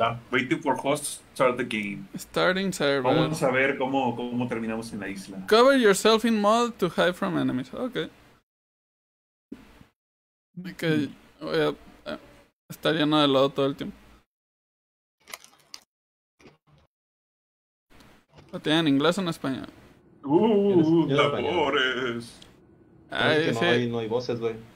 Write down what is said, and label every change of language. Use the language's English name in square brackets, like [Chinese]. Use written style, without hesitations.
[English] Waiting for host to start the game. Starting server. [Spanish] Vamos a ver cómo terminamos en la isla. [English] Cover yourself in mud to hide from enemies. Ok. [Spanish] Voy a estar lleno de lodo todo el tiempo. ¿Lo tienen en inglés o en español? Labores. Ay, es que sí. No hay voces, güey.